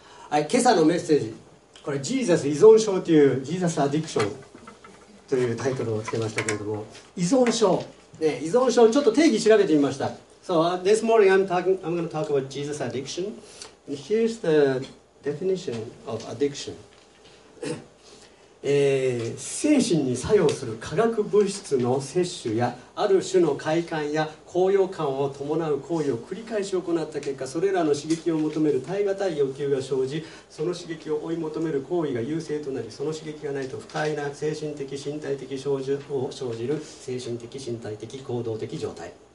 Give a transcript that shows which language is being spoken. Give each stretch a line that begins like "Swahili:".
Japanese: 今朝のメッセージ、これジーザス依存症というジーザスアディクションというタイトルをつけましたけれども、依存症、ね、依存症ちょっと定義調べてみました。
English: So this morning I'm going to talk about Jesus addiction. Here's the definition of addiction.
Japanese: 精神に作用する化学物質の摂取やある種の快感や高揚感を伴う行為を繰り返し行った結果、それらの刺激を求める耐え難い欲求が生じ、その刺激を追い求める行為が優勢となり、その刺激がないと不快な精神的身体的症状を生じる精神的身体的行動的状態。